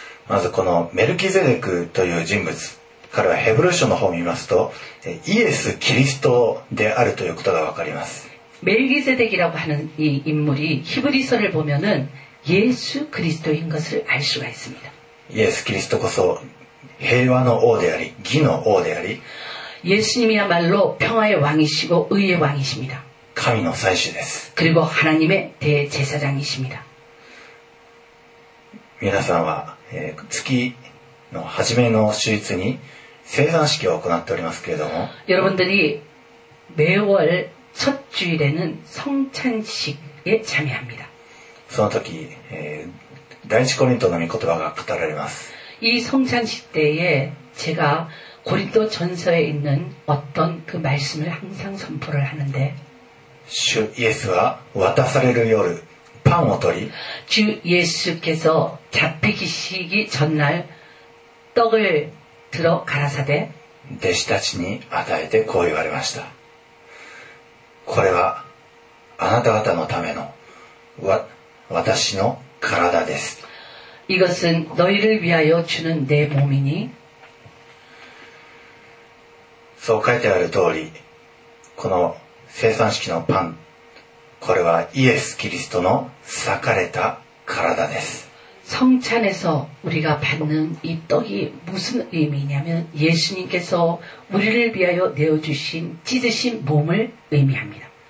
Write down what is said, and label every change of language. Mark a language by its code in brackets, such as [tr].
[ja] まずこのメルキゼデクという人物彼はヘブル書の方を見ますとイエス・キリストであるということがわかります [ko] メルキゼデク라고하는이인물이히브리서를보면은예수그리스도인것을알수가있습니다 [ja] イエス・キリストこそ平和の王であり義の王であり [ko] 예수님이야말로평화의왕이시고의의왕이십니다 [ja] 神の祭司です [ko] 그리고하나님의대제사장이십니다 [ja] 皆さんは、月の初めの週日に生産式を行っておりますけれども [ko] 여러분들이매월첫주일에는성찬식에참여합니다 [ja] その時、第一コリントの御言葉が語られます [ko] 이성찬식때에제가고린도전서에있는어떤그말씀을항상선포를하는데 주예수와 [ja] 渡される夜パンを取り [ko] 주예수께서잡히시기전날떡을들어갈아사대 [ja] 弟子たちに与えてこう言われましたこれはあなた方のための私の体です [ko] 이것은너희를위하여주는내몸이니 [ja] そう書いてある通りこの生産式のパンこれはイエス・キリストの裂かれた体です [ko] 성찬에서우리가받는이떡이무슨의미냐면예수님께서우리를위하여내어주신찢으신몸을의미합니다